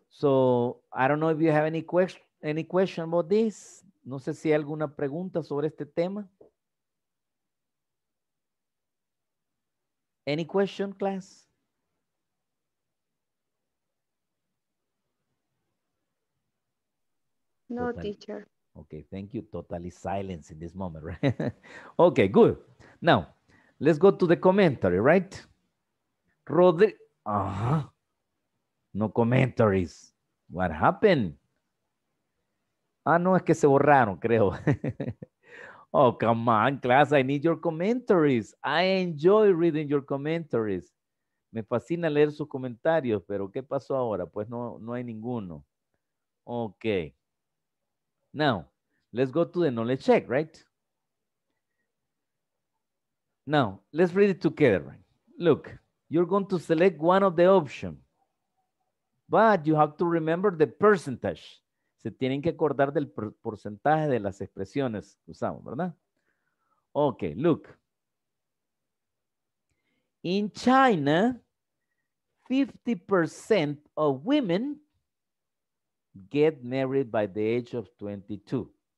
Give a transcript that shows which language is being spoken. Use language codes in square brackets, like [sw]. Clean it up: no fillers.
[en] So, I don't know if you have any question about this. [es] No sé si hay alguna pregunta sobre este tema. [en] Any question, class? No, teacher. Okay, thank you. Totally silence in this moment, right? Okay, good. Now, let's go to the commentary, right? No commentaries. What happened? [es] Ah, no, es que se borraron, creo. [en] Oh, come on, class. I need your commentaries. I enjoy reading your commentaries. [es] Me fascina leer sus comentarios, pero ¿qué pasó ahora? Pues no hay ninguno. Ok. [en] Now, let's go to the knowledge check, right? Now, let's read it together. Look, you're going to select one of the options. But you have to remember the percentage. [es] Se tienen que acordar del porcentaje de las expresiones que usamos, ¿verdad? [en] Ok, look. In China, 50% of women get married by the age of 22.